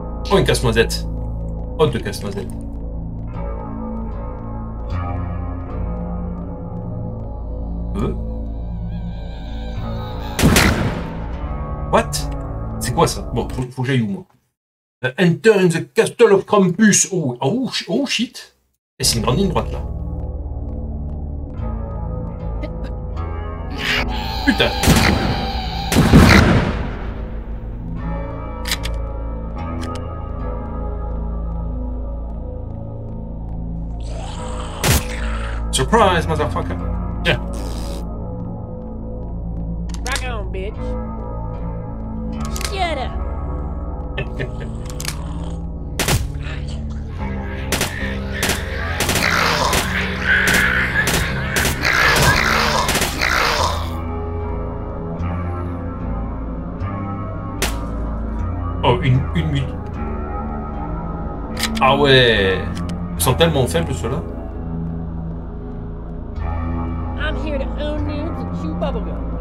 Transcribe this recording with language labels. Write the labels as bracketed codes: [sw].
[fr] Oh, une casse-noisette. Oh, deux casse-noisettes. What? C'est quoi ça? Bon, faut que j'aille où, moi? [en] Enter in the Castle of Krampus. Oh, shit. [fr] Et c'est une grande ligne droite, là. Putain. [en] Surprise, motherfucker. Tiens. Rock on, bitch. [fr] Oh, une mute. Ah ouais, ils sont tellement faibles ceux-là. [en] I'm here to own you to chew bubblegum.